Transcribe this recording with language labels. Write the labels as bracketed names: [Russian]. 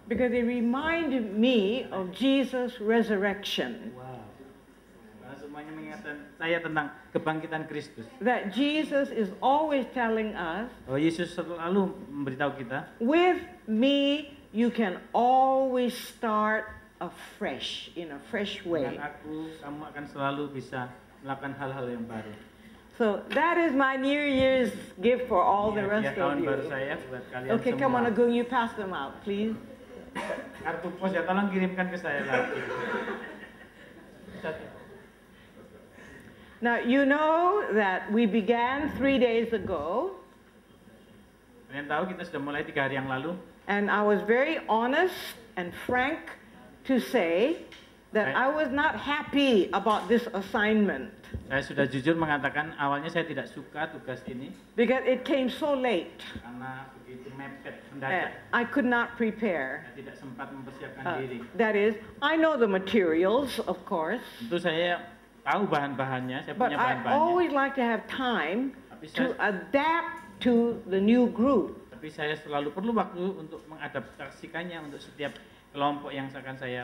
[English] Because they remind me of Jesus' resurrection. [Indonesian] Wow. Karena semuanya mengingatkan saya tentang kebangkitan Kristus. [English] That Jesus is always telling us. [Indonesian] Oh, Yesus selalu memberitahu kita. [English] With me, you can always start afresh, in a fresh way. [Indonesian] Dengan aku, kamu akan selalu bisa melakukan hal-hal yang baru. [English] So that is my New Year's gift for all the rest of you. [Indonesian] Tahun baru saya buat kalian semua. [English] Okay, come on, Agung, you pass them out, please. [Indonesian] Kartu pos ya, tolong kirimkan ke saya lagi. [English] Now you know that we began 3 days ago. [Indonesian] Kalian tahu kita sudah mulai 3 hari yang lalu. [English] And I was very honest and frank to say that I was not happy about this assignment. [Indonesian] Saya sudah jujur mengatakan awalnya saya tidak suka tugas ini. [English] Because it came so late. [Indonesian] Karena begitu mepet, mendadak. [English] I could not prepare. [Indonesian] Saya tidak sempat mempersiapkan diri. [English] That is, I know the materials, of course. [Indonesian] Tentu saya tahu bahan-bahannya, saya punya bahan-bahannya. [English] But I always like to have time to adapt to the new group. [Indonesian] Tapi saya selalu perlu waktu untuk mengadaptasikannya untuk setiap kelompok yang akan saya